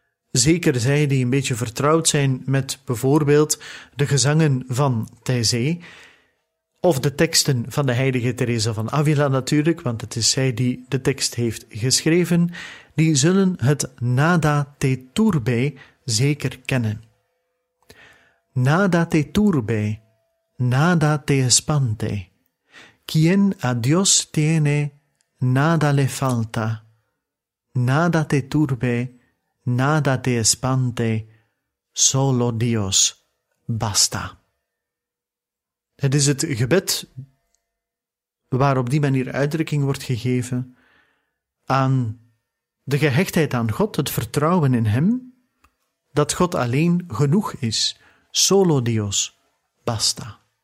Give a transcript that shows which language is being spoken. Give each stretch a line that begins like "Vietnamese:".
Dutch: Zeker zij die een beetje vertrouwd zijn met bijvoorbeeld de gezangen van Thaisé, of de teksten van de heilige Teresa van Avila natuurlijk, want het is zij die de tekst heeft geschreven, die zullen het Nada Te Turbe zeker kennen.
Spanish: Nada Te Turbe, Nada Te Espante, Quien a Dios tiene nada le falta, nada te turbe, nada te espante, solo Dios, basta.
Dutch: Het is het gebed waar op die manier uitdrukking wordt gegeven aan de gehechtheid aan God, het vertrouwen in hem, dat God alleen genoeg is,
Spanish: solo Dios, basta.